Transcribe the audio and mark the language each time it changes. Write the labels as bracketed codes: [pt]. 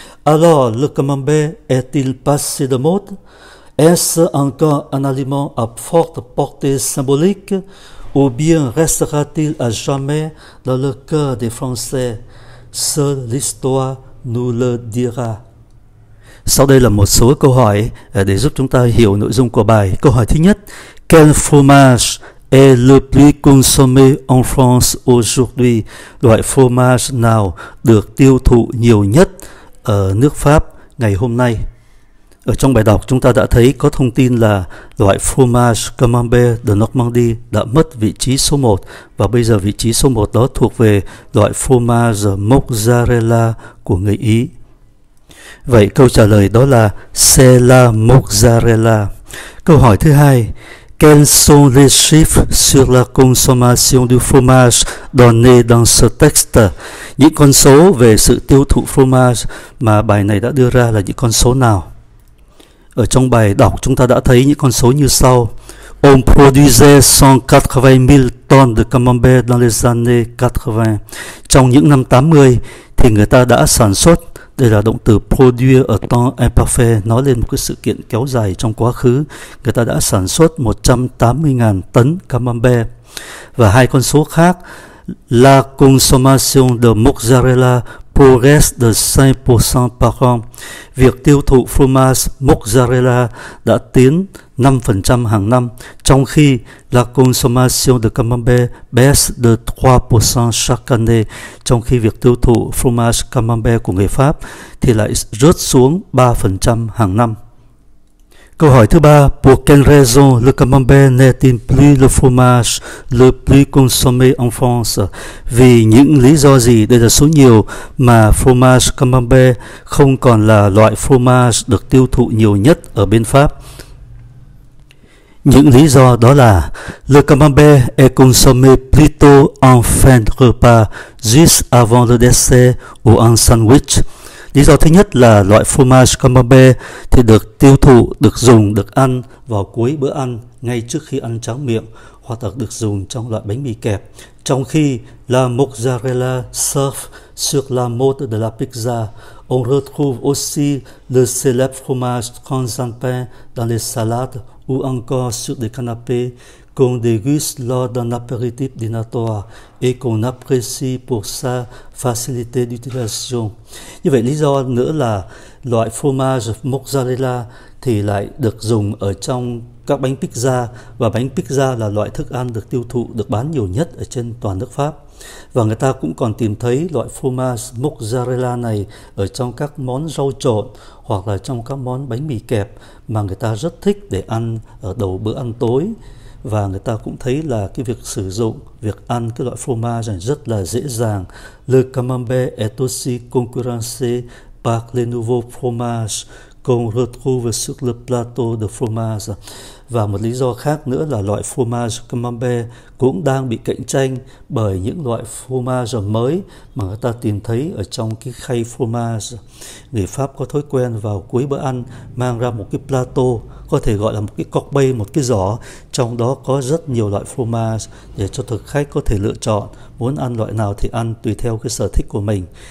[fr] Alors, le camembert est-il passé de mode? Est-ce encore un aliment à forte portée symbolique ou bien restera-t-il à jamais dans le cœur des Français? Seule l'histoire nous le dira. [vi] Sau đây là một số câu hỏi để giúp chúng ta hiểu nội dung của bài. Câu hỏi thứ nhất, [fr] quel fromage est le plus consommé en France aujourd'hui? [vi] Loại fromage nào được tiêu thụ nhiều nhất ở nước Pháp ngày hôm nay? Ở trong bài đọc chúng ta đã thấy có thông tin là loại fromage Camembert de Normandie đã mất vị trí số 1 và bây giờ vị trí số 1 đó thuộc về loại fromage mozzarella của người Ý. Vậy câu trả lời đó là [fr] c'est la mozzarella. [vi] Câu hỏi thứ hai, [fr] quels sont les chiffres sur la consommation du fromage donné dans ce texte? [vi] Những con số về sự tiêu thụ fromage mà bài này đã đưa ra là những con số nào? Ở trong bài đọc chúng ta đã thấy những con số như sau. [fr] On produisait 180.000 tonnes de camembert dans les années 80. [vi] Trong những năm 80 thì người ta đã sản xuất. Đây là động từ produire ở temps imparfait, nói lên một cái sự kiện kéo dài trong quá khứ. Người ta đã sản xuất 180.000 tấn camembert. Và hai con số khác, [fr] la consommation de mozzarella progresse de 5% par an. [vi] Việc tiêu thụ fromage mozzarella đã tiến 5% hàng năm, trong khi [fr] la consommation de camembert baisse de 3% chaque année, [vi] trong khi việc tiêu thụ fromage camembert của người Pháp thì lại rớt xuống 3% hàng năm. Câu hỏi thứ ba, [fr] pour quelle raison le camembert n'est-il plus le fromage le plus consommé en France? [vi] Vì những lý do gì, đây là số nhiều, mà fromage camembert không còn là loại fromage được tiêu thụ nhiều nhất ở bên Pháp? Những lý do đó là [fr] le camembert est consommé plutôt en fin de repas, juste avant le dessert ou en sandwich. [vi] Lý do thứ nhất là loại fromage camembert thì được tiêu thụ, được dùng, được ăn vào cuối bữa ăn, ngay trước khi ăn tráng miệng, hoặc là được dùng trong loại bánh mì kẹp. Trong khi [fr] la mozzarella serve sur la mode de la pizza, on retrouve aussi le célèbre fromage transalpin dans les salades ou encore sur des canapés qu'on déguste lors d'un apéritif dînatoire et qu'on apprécie pour sa facilité d'utilisation. [vi] Như vậy, lý do nữa là loại fromage mozzarella thì lại được dùng ở trong các bánh pizza và bánh pizza là loại thức ăn được tiêu thụ, được bán nhiều nhất ở trên toàn nước Pháp. Và người ta cũng còn tìm thấy loại fromage mozzarella này ở trong các món rau trộn hoặc là trong các món bánh mì kẹp mà người ta rất thích để ăn ở đầu bữa ăn tối. Và người ta cũng thấy là cái việc sử dụng, việc ăn cái loại fromage này rất là dễ dàng. [fr] Le camembert est aussi concurrencé par les nouveaux fromages qu'on retrouve sur le plateau de fromage. [vi] Và một lý do khác nữa là loại fromage camembert cũng đang bị cạnh tranh bởi những loại fromage mới mà người ta tìm thấy ở trong cái khay fromage. Người Pháp có thói quen vào cuối bữa ăn mang ra một cái plateau, có thể gọi là một cái cọc bay, một cái giỏ, trong đó có rất nhiều loại fromage để cho thực khách có thể lựa chọn muốn ăn loại nào thì ăn tùy theo cái sở thích của mình.